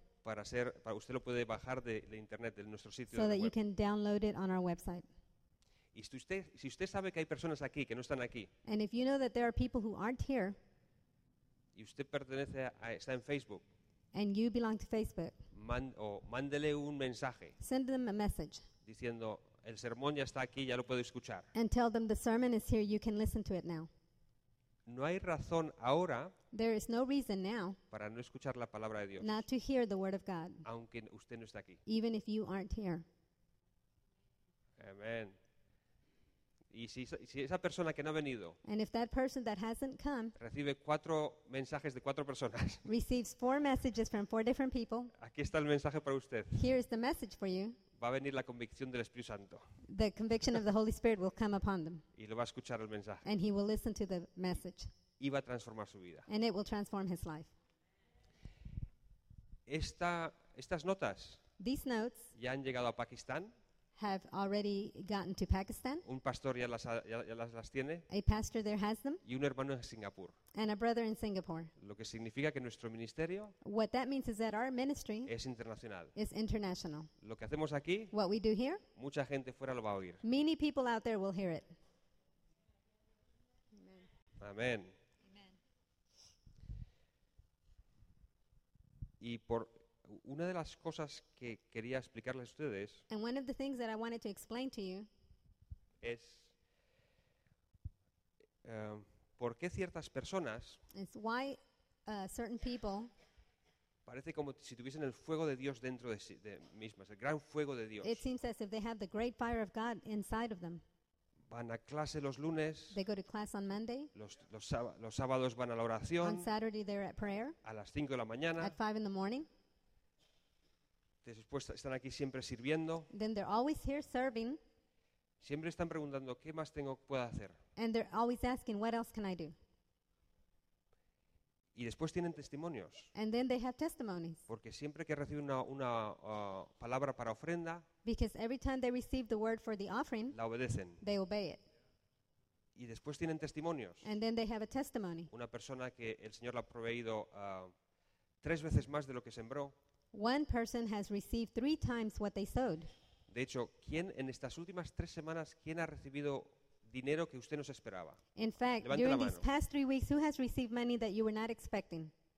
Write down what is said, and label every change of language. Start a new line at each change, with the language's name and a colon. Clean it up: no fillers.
Spanish: Para usted lo puede bajar de internet, de nuestro sitio.
English: So
Spanish: de
English: that web. You can download it on our website.
Spanish: Y si usted sabe que hay personas aquí que no están aquí.
English: And if you know that there are people who aren't here.
Spanish: Y usted pertenece a está en Facebook.
English: And you belong to Facebook.
Spanish: Mándele un mensaje.
English: Send them a message.
Spanish: Diciendo, el sermón ya está aquí, ya lo puedo escuchar.
English: And tell them the sermon is here, you can listen to it now.
Spanish: No hay razón ahora.
English: There is no reason now.
Spanish: Para no escuchar la palabra de Dios.
English: Not to hear the word of God.
Spanish: Aunque usted no está aquí.
English: Even if you aren't here.
Spanish: Amén. Y si esa persona que no ha venido.
English: And if that person that hasn't come.
Spanish: Recibe cuatro mensajes de cuatro personas.
English: Receives four messages from four different people.
Spanish: Aquí está el mensaje para usted.
English: Here is the message for you.
Spanish: Va a venir la convicción del Espíritu Santo.
English: The conviction of the Holy Spirit will come upon them.
Spanish: Y lo va a escuchar el mensaje.
English: And he will listen to the message.
Spanish: Y va a transformar su vida.
English: And it will transform his life.
Spanish: Estas notas.
English: These notes.
Spanish: Ya han llegado a Pakistán.
English: Have already gotten to Pakistan.
Spanish: Un pastor ya las tiene.
English: A pastor there has them.
Spanish: Y un hermano en Singapur.
English: And a brother in Singapore.
Spanish: Lo que significa que nuestro ministerio.
English: What that means is that our ministry.
Spanish: Es internacional.
English: Is international.
Spanish: Lo que hacemos aquí.
English: What we do here.
Spanish: Mucha gente fuera lo va a oír.
English: Many people out there will hear it.
Spanish: Amén. Y por una de las cosas que quería explicarles a ustedes.
English: And one of the things that I wanted to explain to you.
Spanish: Es. ¿Por qué ciertas personas.
English: It's why certain people.
Spanish: Parece como si tuviesen el fuego de Dios dentro de sí de mismas, el gran fuego de Dios.
English: It seems as if they have the great fire of God inside of them.
Spanish: Van a clase los lunes.
English: They go to class on Monday.
Spanish: Los sábados van a la oración.
English: On Saturday they're at prayer.
Spanish: A las 5 de la mañana.
English: At 5 in the morning.
Spanish: Después están aquí siempre sirviendo.
English: Then they're always here serving.
Spanish: Siempre están preguntando qué más tengo puedo hacer.
English: And they're always asking what else can I do.
Spanish: Y después tienen testimonios.
English: And then they have testimonies.
Spanish: Porque siempre que reciben una palabra para ofrenda.
English: Because every time they receive the word for the offering.
Spanish: La obedecen.
English: They obey it.
Spanish: Y después tienen testimonios.
English: And then they have a testimony.
Spanish: Una persona que el Señor le ha proveído tres veces más de lo que sembró.
English: One person has received three times what they sowed.
Spanish: De hecho, ¿quién en estas últimas tres semanas quién ha recibido dinero que usted no se esperaba?
English: In fact,
Spanish: levante
English: during
Spanish: la
English: these
Spanish: mano.
English: Past 3 weeks, who has received money that you were not expecting?